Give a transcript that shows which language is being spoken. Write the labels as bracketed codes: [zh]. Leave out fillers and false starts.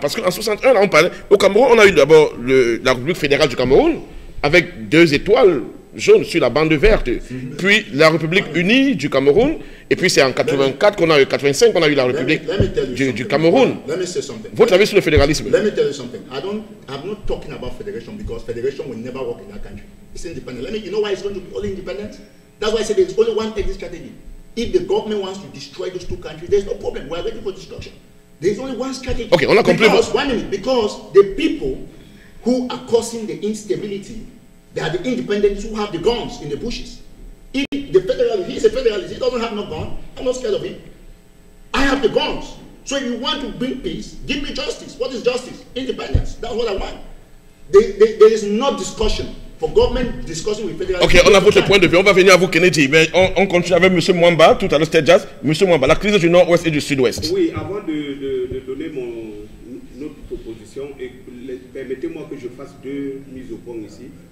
[fr] Parce qu'en 61, là, on parlait, au Cameroun, on a eu d'abord la République fédérale du Cameroun, avec deux étoiles jaunes sur la bande verte, puis la République unie du Cameroun, et puis c'est en 84 qu'on a eu, 85 qu'on a eu la République du Cameroun. Votre avis sur le fédéralisme? [en] Let me tell you something. I'm not talking about federation, because federation will never work in that country. It's independent. You know why it's going to be only independent? That's why I said there's only one exit strategy. If the government wants to destroy those two countries, there's no problem. We are ready for destruction. There's only one strategy. [fr] Okay, on a compris. [en] Because, because the people who are causing the instability, they are the independents who have the guns in the bushes. If the federalist, he's a federalist, he doesn't have no gun, I'm not scared of him. I have the guns. So if you want to bring peace, give me justice. What is justice? Independence. That's what I want. There is no discussion. [fr] Ok, on a votre point de vue. On va venir à vous, Kennedy. Mais on continue avec M. Mwamba tout à l'heure, c'était Jazz. M. Mwamba, la crise du Nord-Ouest et du Sud-Ouest. Oui, avant de donner notre proposition, permettez-moi que je fasse deux mises au point ici.